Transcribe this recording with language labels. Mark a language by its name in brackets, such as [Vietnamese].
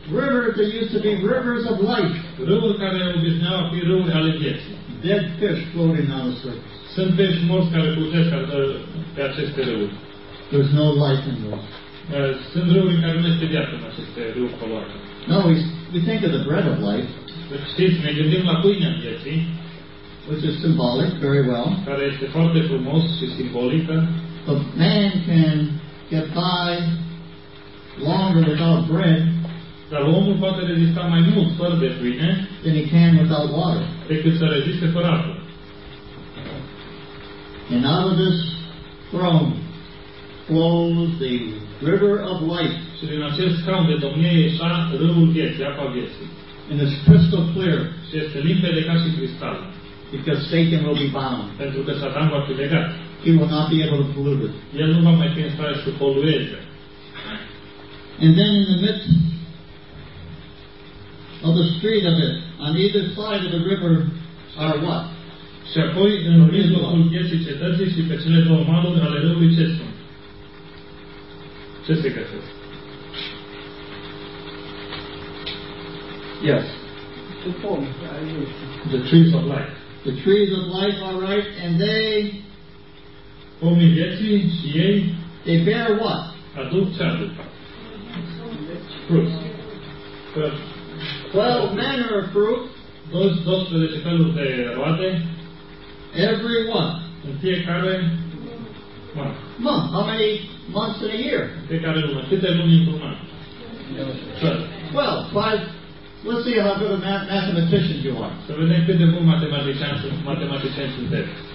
[English] Rivers that used to be rivers of life. [Romanian] Râuri care obișnuiau fi râuri ale vieții. [English] Dead fish floating on the surface. [Romanian] Sunt pești morți care plutesc pe aceste râuri. [English] There's no life in those. [Romanian] Sunt râuri în care nu este viață în aceste râuri poluate. [English] No, we think of the bread of life. [Romanian] Știți, ne gândim la pâinea vieții. [English] Which is symbolic, very well. [Romanian] Care este foarte frumos și simbolică. [English] But man can get by longer without bread. [Romanian] Dar omul poate rezista mai mult fără de pâine [English] than he can without water. [Romanian] Decât să reziste fără apă. [English] And out of this throne flows the river of life. [Romanian] Și din acest scaun de domnie ieșa râul vieții, apa vieții. [English] And it's crystal clear. [Romanian] Și este limpede ca și cristal. [English] Because Satan will be bound. [Romanian] Pentru că Satan va fi legat. [English] He will not be able to pollute it. [Romanian] El nu va mai fi în stare să polueze. [English] And then in the midst of the street of it, on either side of the river, are what? [Romanian] Și apoi în mijlocul vieții cetății și pe cele două maluri ale râului ce sunt? Ce se găsesc? [English] Yes. The trees of life. The trees of life are right, and they? [Romanian] Pomii vieții și ei? [English] They bear what? [Romanian] Aduc ce aduc? Fruit. [English] 12 manner of fruit. [Romanian] 12 feluri de roade. [English] Every one. [Romanian] În fiecare [English] month. How many months in a year? [Romanian] Fiecare lună. Câte luni într-un an? [English] 12. Well, five. Let's see how good a mathematician you are. [Romanian] Să vedem cât de bun matematician sunteți.